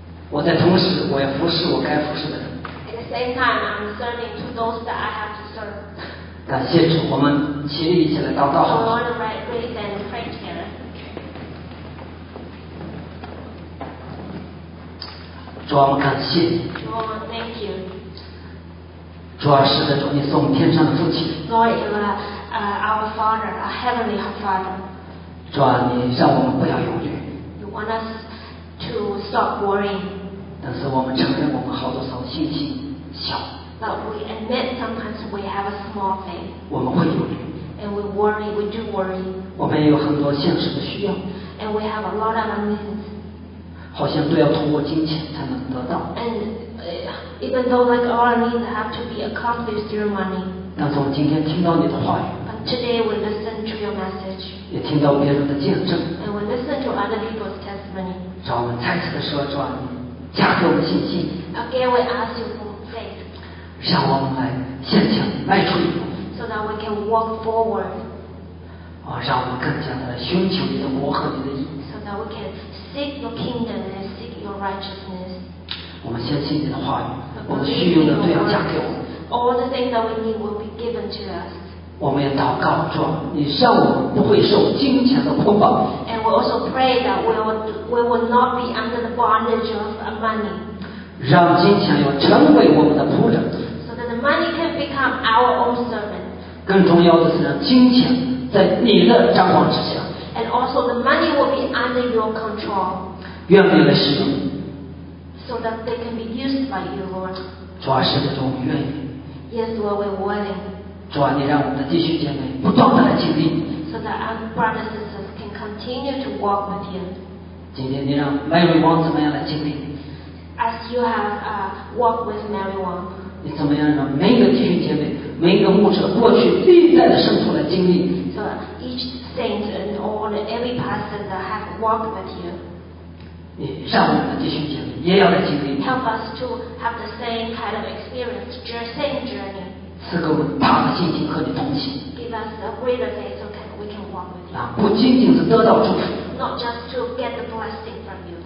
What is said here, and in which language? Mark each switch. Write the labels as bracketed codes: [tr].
[zh] 我在同时，我要服侍我该服侍的人。 [en] At the same time, I'm serving to those that I have to serve. [zh] 感谢主，我们起立一起来祷告好。 [en] Lord, raise and pray together. [zh] 主，我们感谢你。 [en] Lord, thank you. [zh] 主啊，是的，主，你是我们天上的父亲。 [en] Lord, you are our Father, our heavenly Father. [zh] 主啊，你让我们不要忧虑。 [en] You want us to stop worrying. [zh] 但是我们承认我们好多时候信心小。 [en] But we admit sometimes we have a small faith. [zh] 我们会忧虑。 [en] And we worry, we do worry. [zh] 我们也有很多现实的需要。 [en] And we have a lot of needs. [zh] 好像都要通过金钱才能得到。 [en] And even though like all needs have to be accomplished through money. [zh] 但是我们今天听到你的话语。 [en] But today we listen to your message. [zh] 也听到别人的见证。 [en] And we listen to other people's testimony. [zh] 主，我们再次的说，主，加给我们信心。 [en] Again, we ask you for faith. [zh] 让我们来向前迈出一步。 [en] So that we can walk forward. [zh] 哦，让我们更加的寻求你的国和你的义。 [en] So that we can seek your kingdom and seek your righteousness. [zh] 我们相信你的话语，我们需要的都要加给我们。 [en] All the things that we need will be given to us. [zh] 我们也祷告，主，你让我们不会受金钱的捆绑。 [en] And we also pray that we will not be under the bondage of money. [zh] 让金钱要成为我们的仆人。 [en] So that the money can become our own servant. [zh] 更重要的是让金钱在你的掌管之下。 [en] And also the money will be under your control. [zh] 愿你来使用。 [en] So that they can be used by you, Lord. [zh] 主啊，是的，主，我们愿意。 [en] Yes, Lord, we're willing. [zh] 主啊，你让我们的弟兄姐妹不断的来经历。 [en] So that our brothers and sisters can continue to walk with you. [zh] 今天你让 Mary Wong 怎么样来经历 [en] ？As you have walked with Mary Wong. [zh] 你怎么样让每一个弟兄姐妹、每一个牧者过去历代的圣徒来经历 [en] ？So each saint and all every person that have walked with you. [zh] 你让我们的弟兄姐妹也要来经历。 [en] Help us to have the same kind of experience, the same journey. [zh] 赐给我们大的信心和你同行。 [en] Give us a greater faith, so we can walk with you. [zh] 啊，不仅仅是得到祝福。 [en] Not just to get the blessing from you.